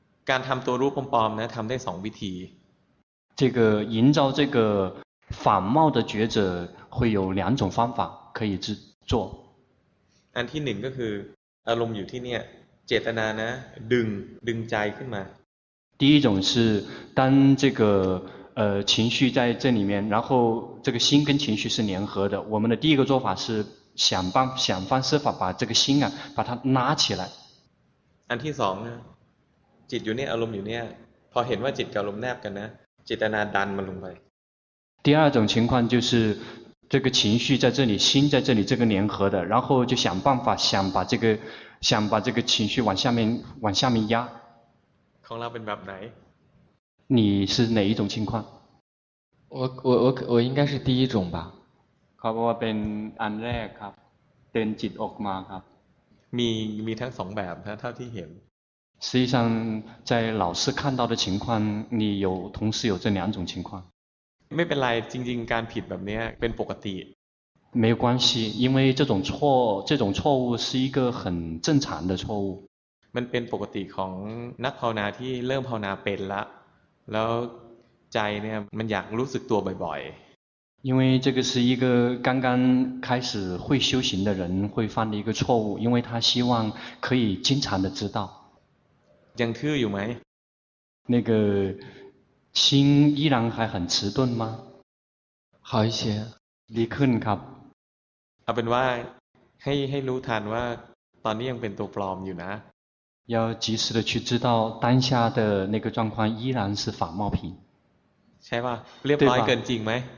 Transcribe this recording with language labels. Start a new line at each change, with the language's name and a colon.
Thai: การทำตัวรู้ปลอมๆ呢ทำได้สองวิธี
Chinese: 这个营造这个仿冒的觉者会有两种方法可以制作
Thai: อันที่หนึ่งก็คืออารมณ์อยู่ที่เนี่ยเจตนานะดึงใจขึ้นมา
Chinese: 第一种是当这个情绪在这里面然后这个心跟情绪是联合的我们的第一个做法是想方设法把这个心啊把它拉起来
Thai: อันที่สองนะจิตอยู่เนี่ยอารมณ์อยู่เนี่ยพอเห็นว่าจิตกับอารมณ์แนบกันนะเจตนาดันมันลงไป
Chinese: 第二种情况就是这个情绪在这里心在这里这个联合的然后就想办法想把这个情绪往下面压
Thai: ของเราเป็นแบบไหน
Chinese: 你是哪一种情况我应该是第一种吧
Thai: ครับว่าเป็นอันแรกครับเดินจิตออกมาครับ มีทั้งสองแบบนะเท่าที่เห็น
Chinese: 实际上在老师看到的情况你有同时有这两种情况
Thai: ไม่เป็นไรจริงๆการผิดแบบนี้เป็นปกติ
Chinese: 没关系因为这种错误是一个很正常的错误
Thai: มันเป็นปกติของนักภาวนาที่เริ่มภาวนาเป็นละแล้วใจเนี่ยมันอยากรู้สึกตัวบ่อย
Chinese: ๆ因为这个是一个刚刚开始会修行的人会犯的一个错误因为他希望可以经常的知道
Thai: ยังทื่ออยู่ไ
Chinese: หม那个心依然还很迟钝吗好一些
Thai: ดีขึ้นครับ เอาเป็นว่าให้รู้ทันว่าตอนนี้ยังเป็นตัวปลอมอยู่นะ
Chinese: 要及时的去知道当下的那个状况依然是仿冒品
Thai: ใช่ป่ะเรียบร้อยเกินจริงไหม